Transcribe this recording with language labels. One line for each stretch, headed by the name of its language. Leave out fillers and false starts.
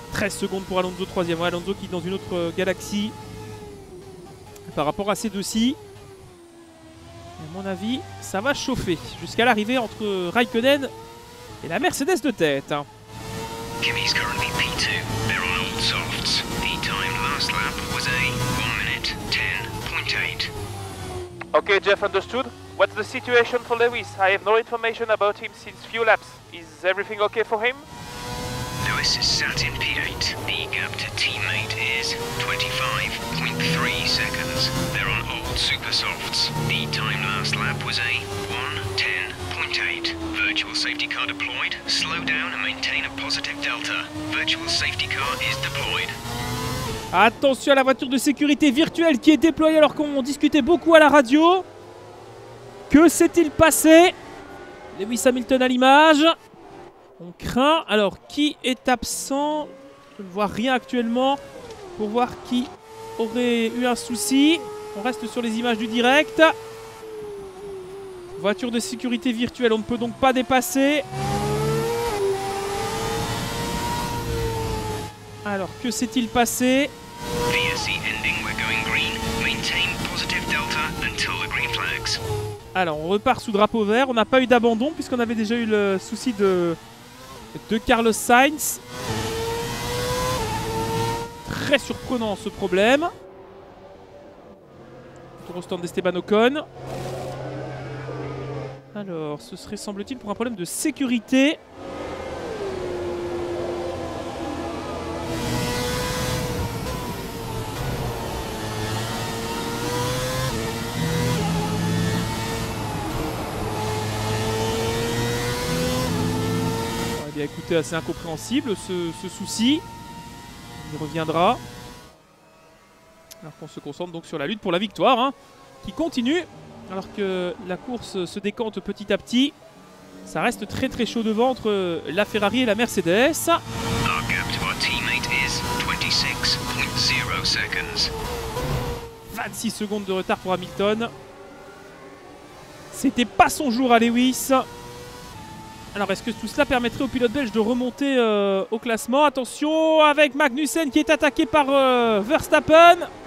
French: Secondes pour Alonso, 3ème. Ouais, Alonso qui est dans une autre galaxie par rapport à ces deux-ci. À mon avis, ça va chauffer jusqu'à l'arrivée entre Raikkonen et la Mercedes de tête.
English: Kimi's currently P2. They're on old softs. The time last lap was a 1 minute 10.8. Okay, Jeff, understood. What's the situation for Lewis? I have no information about him since few laps. Is everything okay for him? Lewis is sat in P8. The gap to teammate is 25.3 seconds. They're on old super softs. The time last lap was a 1:10.8. Virtual safety car deployed. Slow down and maintain a positive delta. Virtual safety car is deployed.
French: Attention à la voiture de sécurité virtuelle qui est déployée alors qu'on discutait beaucoup à la radio. Que s'est-il passé? Lewis Hamilton à l'image. On craint. Alors, qui est absent? Je ne vois rien actuellement pour voir qui aurait eu un souci. On reste sur les images du direct. Voiture de sécurité virtuelle, on ne peut donc pas dépasser. Alors, que s'est-il passé? VSC ending, we're going green. Maintain positive delta until the green flags. Alors, on repart sous drapeau vert. On n'a pas eu d'abandon puisqu'on avait déjà eu le souci de de Carlos Sainz. Très surprenant ce problème. Tour au stand d'Esteban Ocon. Alors, ce serait, semble-t-il, pour un problème de sécurité. Écoutez, assez incompréhensible ce souci. Il reviendra. Alors qu'on se concentre donc sur la lutte pour la victoire, hein, qui continue. Alors que la course se décante petit à petit. Ça reste très très chaud devant entre la Ferrari et la Mercedes.
English: Our gap to our teammate is 26.0 seconds.
French: 26 secondes de retard pour Hamilton. C'était pas son jour à Lewis. Alors, est-ce que tout cela permettrait au pilote belge de remonter au classement? Attention, avec Magnussen qui est attaqué par Verstappen.